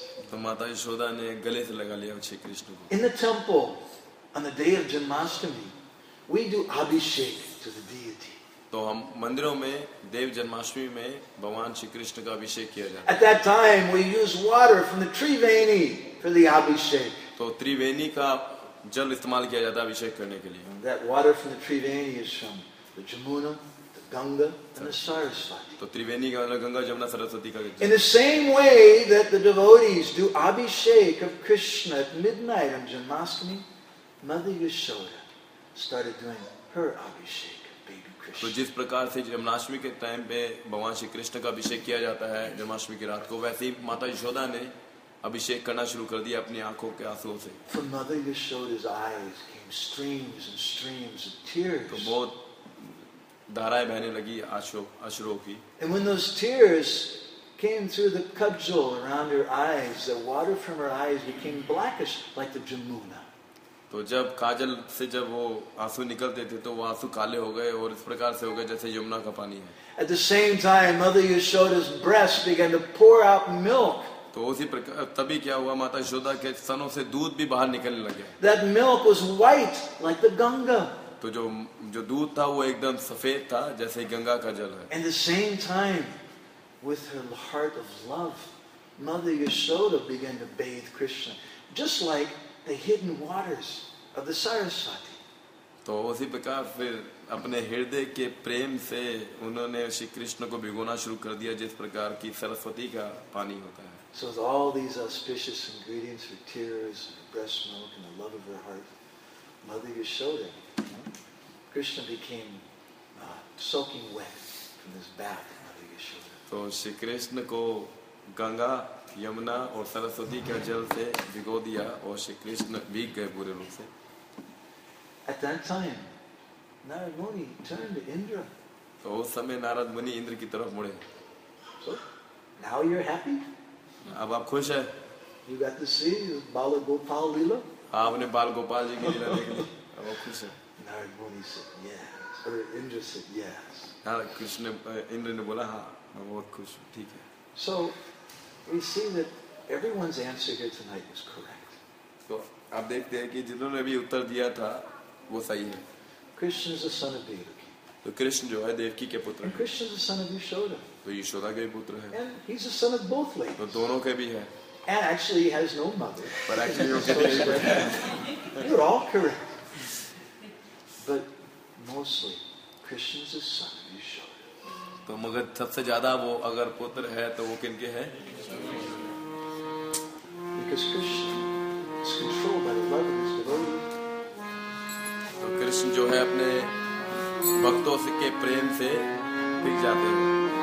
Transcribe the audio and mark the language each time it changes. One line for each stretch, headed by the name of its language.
Hindi: तो माता यशोदा ने गले से लगा लिया श्री कृष्ण को.
English: In the temple, on the day of Janmashtami, we do abhishek to the deity.
Hindi: तो हम मंदिरों में देव जन्माष्टमी में भगवान श्री कृष्ण का अभिषेक किया जाता है.
English: At that time, we use water from the Triveni for the abhishek.
Hindi: तो त्रिवेणी का जल इस्तेमाल किया जाता है अभिषेक करने के लिए.
English: That water from the Triveni is from the Jamuna. Ganga and Saraswati.
Hindi: तो त्रिवेणी का गंगा जमुना सरस्वती का.
English: In the same way that the devotees do abhishek of Krishna at midnight on Janmashtami, Mother Yashoda started doing her abhishek of baby Krishna.
Hindi: तो जिस प्रकार से जन्माष्टमी के time पे भगवान श्री कृष्ण का अभिषेक किया जाता है जन्माष्टमी की रात को, वैसे ही माता यशोदा ने अभिषेक करना शुरू कर दिया अपनी आंखों के आंसुओं से.
English: From Mother Yashoda's eyes came streams and streams of tears.
Hindi: तो बहुत धाराएं बहने लगी अश्रुओं की.
English: And when those tears came through the kajal around her eyes, the water from her eyes became blackish like the Jamuna.
Hindi: तो जब काजल से जब वो आंसू निकलते थे तो वो आंसू काले हो गए और इस प्रकार से हो गए जैसे यमुना का पानी है.
English: At the same time, Mother Yashoda's breast began to pour out milk.
Hindi: तो उसी प्रकार तभी क्या हुआ, माता यशोदा के स्तनों से दूध भी बाहर निकलने लगे.
English: That milk was white like the Ganga.
Hindi: तो जो जो दूध था वो एकदम सफेद था जैसे गंगा का जल है.
English: At the same time, with her heart of love, Mother Yashoda began to bathe Krishna, just like the hidden waters of the Saraswati.
Hindi: तो उसी प्रकार फिर अपने हृदय के प्रेम से उन्होंने श्री कृष्ण को भिगोना शुरू कर दिया जिस प्रकार की सरस्वती का पानी होता है.
English: So with all these auspicious ingredients for tears, breast milk, and the love of her heart, Mother Yashoda, Krishna became soaking wet from this bath of Mother Yashoda.
Hindi: तो श्री कृष्ण को गंगा यमुना और सरस्वती के जल से भिगो दिया और श्री कृष्ण भीग गए पूरे रूप से.
English: At that time, Narad Muni turned to Indra.
Hindi: तो उस समय नारद मुनि इंद्र की तरफ मुड़े.
English: So, now you're happy?
Hindi: अब आप खुश हैं?
English: You got to see Bala Gopal Lila?
Hindi: हाँ, आपने बाल गोपाल जी की लीला देखी. अब आप खुश हैं?
English: Narad Muni said yes. Or Indra said yes.
Hindi: हाँ, कृष्ण ने इंद्र ने बोला हाँ, मैं बहुत खुश हूँ, ठीक है.
English: So, we see that everyone's answer here tonight is correct.
Hindi: तो आप देखते हैं कि जिन्होंने भी उत्तर दिया था वो सही है.
English: Krishna is the son of Devaki.
Hindi: तो कृष्ण जो है देवकी के पुत्र हैं.
English: Krishna is the son of Yashoda.
Hindi: तो यशोदा के पुत्र हैं.
English: And he's the son of both ladies.
Hindi: तो दोनों के भी हैं.
English: And actually, he has no mother. But actually, you're all correct. But mostly, Krishna is the son of Yashoda.
Hindi: तो मगर सबसे ज्यादा वो अगर पुत्र है तो वो किनके हैं?
English: Because Krishna is controlled by the love of his devotees.
Hindi: तो कृष्ण जो है अपने भक्तों से के प्रेम से भीग जाते हैं.